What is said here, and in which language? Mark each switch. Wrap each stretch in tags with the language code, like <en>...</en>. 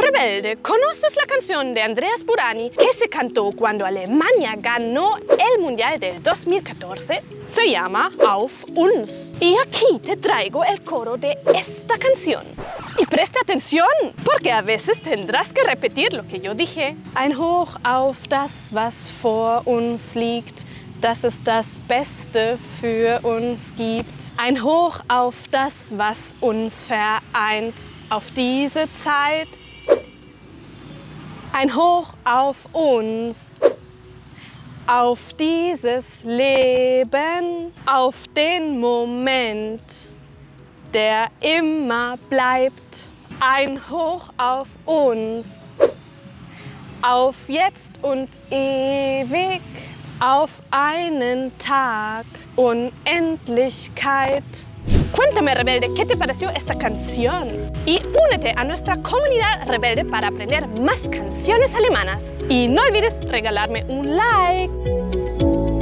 <es>Helde, ¿conoces la canción de Andreas Burani que se cantó cuando Alemania ganó el Mundial del 2014? Se llama Auf uns. Y aquí te traigo el coro de esta canción. Y presta atención, porque a veces tendrás que repetir lo que yo dije.</es> <de>Ein Hoch auf das, was vor uns liegt, dass es das Beste für uns gibt. Ein Hoch auf das, was uns vereint, auf diese Zeit. Ein Hoch auf uns, auf dieses Leben, auf den Moment, der immer bleibt. Ein Hoch auf uns, auf jetzt und ewig, auf einen Tag, Unendlichkeit.</de> <es>Cuéntame, Rebelde, ¿qué te pareció esta canción? Y únete a nuestra comunidad Rebelde para aprender más canciones alemanas. Y no olvides regalarme un like.</es>